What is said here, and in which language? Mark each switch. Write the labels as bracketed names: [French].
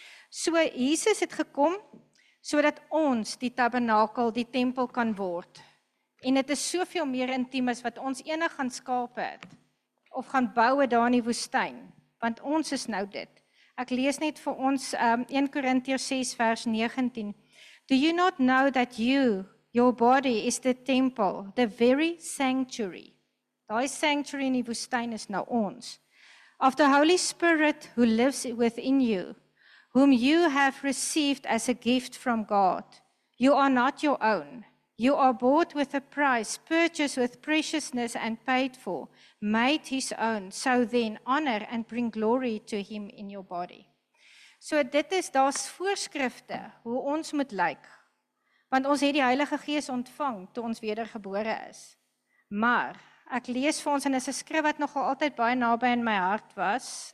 [Afrikaans] So Jesus het gekom, sodat ons die tabernakel, die tempel kan word. En het is soveel meer intiem as wat ons enig gaan skape het, of gaan bouwe daar in die woestijn, want ons is nou dit. Ek lees net vir ons 1 Korintiërs 6 vers 19. [English] Do you not know that you, your body is the temple, the very sanctuary? [Afrikaans] Daai sanctuary in die woestijn is nou ons. [English] Of the Holy Spirit who lives within you, whom you have received as a gift from God. You are not your own. You are bought with a price, purchased with preciousness and paid for, made his own. So then honor and bring glory to him in your body. [Afrikaans] So dit is daar's voorskrifte hoe ons moet lyk. Want ons het die Heilige Gees ontvang toe ons wedergebore is. Maar ek lees vir ons en is 'n skrif wat nogal altyd baie naby in my hart was.